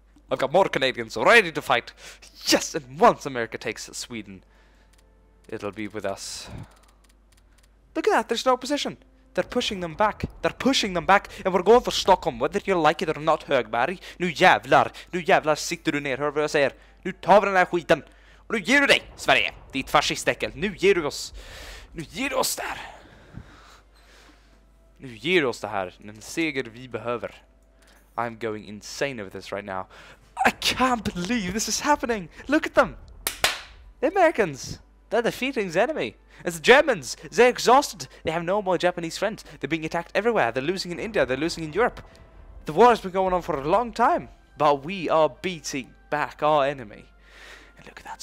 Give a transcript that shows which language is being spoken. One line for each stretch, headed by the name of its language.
English: I've got more Canadians ready to fight. Yes, and once America takes Sweden, it'll be with us. Look at that, there's no opposition. They're pushing them back, and we're going for Stockholm, whether you like it or not, Högberg.
Swedish: Nu jävlar sitter du ner, hör vad jag säger. Nu tar vi den här skiten. Och nu ger du dig, Sverige, ditt fascistäckel. Nu ger du oss där. Nu ger du oss det här, den seger vi behöver.
English: I'm going insane over this right now. I can't believe this is happening. Look at them. The Americans. They're defeating the enemy. It's the Germans. They're exhausted. They have no more Japanese friends. They're being attacked everywhere. They're losing in India. They're losing in Europe. The war has been going on for a long time. But we are beating back our enemy. And look at that.